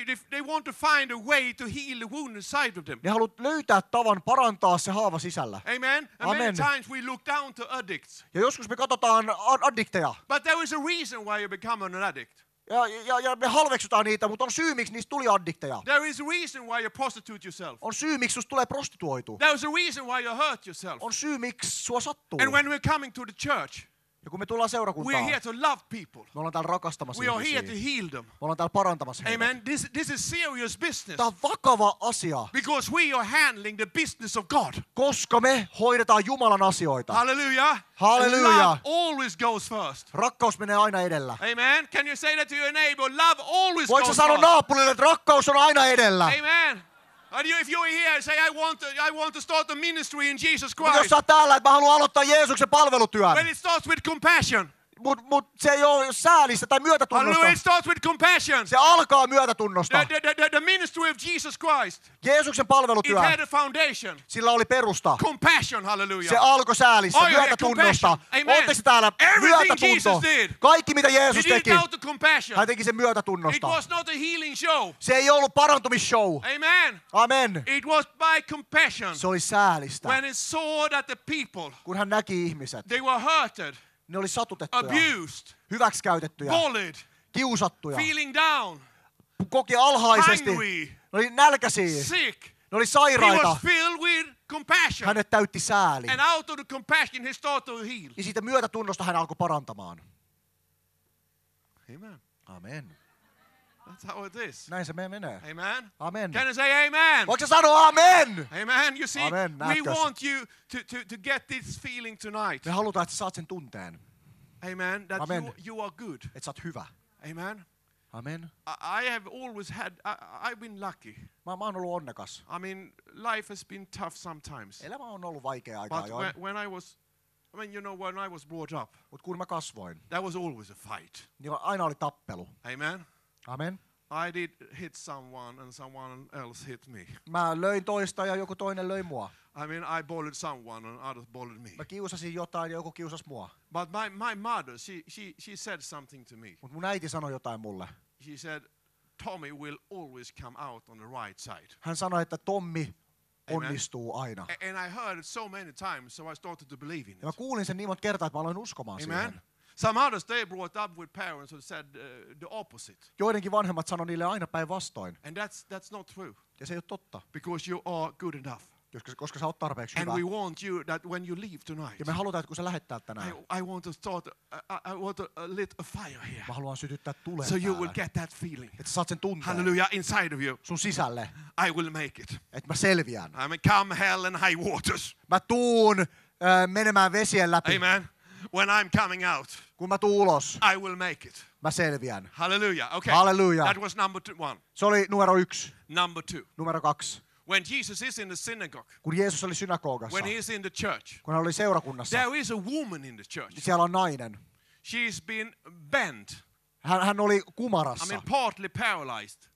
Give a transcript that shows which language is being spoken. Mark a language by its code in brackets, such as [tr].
[en] They want to find a way to heal the wound inside of them. [fi] Ne haluat löytää tavan parantaa se haava sisällä. [en] Amen. [fi] Amen. [en] Many times we look down to addicts. [fi] Ja joskus me katsotaan addikteja. [en] But there is a reason why you become an addict. [fi] Ja me halveksutaan niitä, mutta on syy, miksi niistä tuli addikteja. [en] There is a reason why you prostitute yourself. [fi] On syy, miksi susta tulee prostituoitu. [en] There is a reason why you hurt yourself. [fi] On syy, miksi sua sattuu. [en] And when we're coming to the church, [fi] ja kun me tullaan seurakuntaan, [en] we're here to love people. [fi] Me ollaan täällä rakastamassa ihmisiä. [en] We are here to heal them. [fi] Me ollaan täällä parantamassa heitä. Amen. [en] This is serious business. [fi] Tämä on vakava asia. [en] Because we are handling the business of God. [fi] Koska me hoidetaan Jumalan asioita. [en] Hallelujah. [fi] Hallelujah. [en] Love always goes first. [fi] Rakkaus menee aina edellä. [en] Amen. Can you say that to your neighbor? Love always [fi] voit [en] goes [fi] sä sanoa [en] first. [fi] Naapurille, että rakkaus on aina edellä. Amen. [en] And you, if you're here, say I want to start the ministry in Jesus Christ. [fi] Mutta jos sä oot täällä, että mä haluan aloittaa Jeesuksen palvelutyön. [en] But it starts with compassion. [fi] Mut se ei ole säälistä tai myötätunnosta. [en] It starts with compassion. [fi] Se alkaa myötätunnosta. [en] The ministry of Jesus Christ. [fi] Jeesuksen palvelutyö. [en] It had a foundation. [fi] Sillä oli perusta. [en] Compassion, hallelujah. [fi] Se alkoi säälistä, myötätunnosta. Oletteko täällä? Myötätunto. Kaikki mitä Jeesus teki. [en] It was compassion. [fi] Hän teki sen myötätunnosta. [en] It was not a healing show. [fi] Se ei ollut parantumisshow. [en] Amen. [fi] Amen. [en] It was by compassion. [fi] Se oli säälistä. [en] When he saw that the people. [fi] Kun hän näki ihmiset. [en] They were hurted. [fi] Ne oli satutettuja, [en] abused, [fi] hyväksikäytettyjä, [en] bullied, [fi] kiusattuja, [en] feeling down, [fi] koki alhaisesti, [en] hungry, [fi] ne oli nälkäisiä, [en] sick, [fi] ne oli sairaita. [en] He was filled with compassion. [fi] Hänet täytti sääli. [en] And out of the compassion he started to heal. [fi] Ja siitä myötätunnosta hän alkoi parantamaan. [en] Amen. [fi] Amen. [en] That's how it is. [fi] Näin se menee. [en] Amen. [fi] Amen. [en] Can I say amen? [fi] Voitko sanoa amen? [en] Amen. You see, [fi] amen. [en] We want you to get this feeling tonight. [fi] Me halutaan, että saat sen tunteen. [en] Amen. That [fi] amen. [en] You are good. [fi] Et sä oot hyvä. [en] Amen. [fi] Amen. [en] I've been lucky. [fi] Mä oon ollut onnekas. [en] I mean, life has been tough sometimes. [fi] Elämä on ollut vaikea aika ajoin. [en] When I was brought up. [fi] Mut kun mä kasvoin. [en] That was always a fight. [fi] Niin aina oli tappelu. [en] Amen. [fi] Amen. [en] I did hit someone and someone else hit me. [fi] Mä löin toista ja joku toinen löi mua. [en] I mean, I bullied someone and others bullied me. [fi] Mä kiusasin jotain ja joku kiusas mua. [en] But my mother, she said something to me. [fi] Mut mun äiti sanoi jotain mulle. [en] She said Tommy will always come out on the right side. [fi] Hän sanoi, että Tommi onnistuu aina. [en] And I heard it so many times, so I started to believe in it. [fi] Mä kuulin sen niin monta kertaa, että mä aloin uskomaan siihen. [en] Some others they brought up with parents who said the opposite. [fi] Joidenkin vanhemmat sanoi niille aina päinvastoin. [en] And that's not true. [fi] Ja se ei ole totta. [en] Because you are good enough. [fi] Koska sä oot tarpeeksi [en] and [fi] hyvä. [en] And we want you that when you leave tonight. [fi] Ja me halutaan, että kun sä lähdet täältä tänään. [en] I want to lit a fire here. [fi] Mä haluan syttää tulen. [en] So you will get that feeling. [fi] Että saat sen tunteen. [en] Hallelujah inside of you. [fi] Sun sisälle. [en] I will make it. [fi] Että mä selviän. [en] I mean, come hell and high waters. [fi] Mä tuun menemään vesien läpi. [en] Amen. When I'm coming out. [fi] Kun mä tuun ulos. [en] I will make it. [fi] Mä selviän. [en] Hallelujah. Okay. [fi] Hallelujah. [en] That was number one. [fi] Se oli numero yksi. [en] Number two. [fi] Numero kaksi. [en] When Jesus is in the synagogue. [fi] Kun Jeesus oli synagogassa. [en] When he is in the church. [fi] Kun hän oli seurakunnassa. [en] There is a woman in the church. [fi] Siellä on nainen. [en] She's been bent. [fi] Hän oli kumarassa. [en] I mean partly paralyzed.